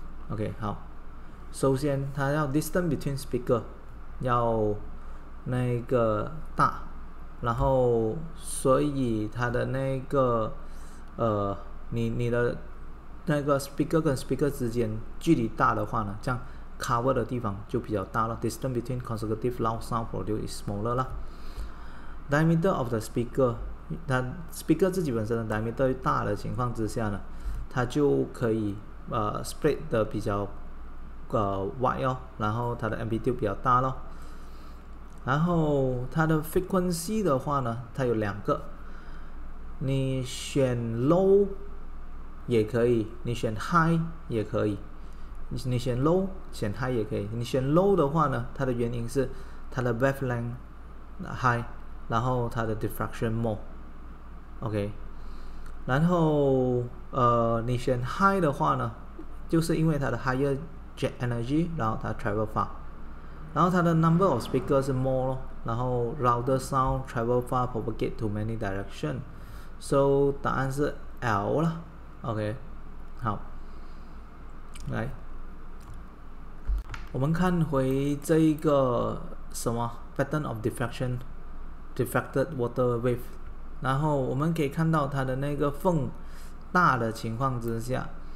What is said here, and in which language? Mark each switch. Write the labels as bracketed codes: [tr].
[zh] OK， 好，首先它要 distance between speaker 要那个大，然后所以它的那个你的那个 speaker 跟 speaker 之间距离大的话呢，这样 cover 的地方就比较大了。 [en] Distance between consecutive loud sound produced is smaller 了。 [zh] Diameter of the speaker，它 speaker 自己本身的 diameter 大的情况之下呢，它就可以spread 的比较wide 哦，然后它的 amplitude 比较大咯。然后它的 frequency 的话呢，它有两个，你选 low 也可以，你选 high 也可以，你选 low 选 high 也可以。你选 low 的话呢，它的原因是它的 wavelength high，然后它的 diffraction more， OK。然后你选 high 的话呢，就是因为它的 higher jet energy，然后它 travel far，然后它的 number of speakers 是 more 咯，然后 louder sound travel far propagate to many direction， so 答案是 L 啦。 OK， 好，来，我们看回这一个什么 pattern of diffraction diffracted water wave， 然后我们可以看到它的那个缝大的情况之下